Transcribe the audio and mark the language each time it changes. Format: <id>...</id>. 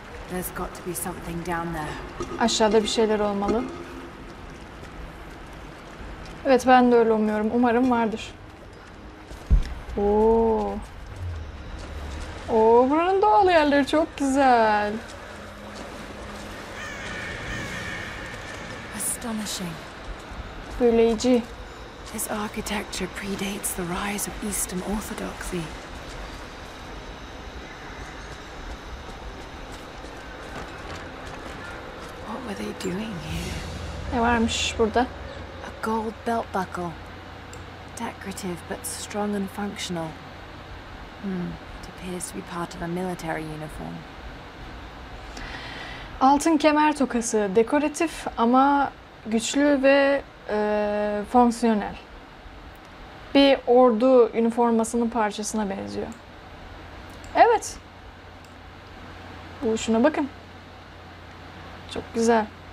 <en>There's got to be something down there.</en> <tr>Aşağıda bir şeyler olmalı. Evet, ben de öyle umuyorum. Umarım vardır. Oo. Oo, buranın doğal yerleri çok güzel.</tr> <en>Astonishing.</en> <tr>Büyüleyici.</tr> <en>This architecture predates the rise of Eastern Orthodoxy. What are they doing here?</en> <tr>Ne varmış burada?</tr> <en>A gold belt buckle. Decorative but strong and functional. It appears to be part of a military uniform.</en> <tr>Altın kemer tokası. Dekoratif ama güçlü ve fonksiyonel. Bir ordu üniformasının parçasına benziyor. Evet. Bu şuna bakın. Çok güzel.</tr>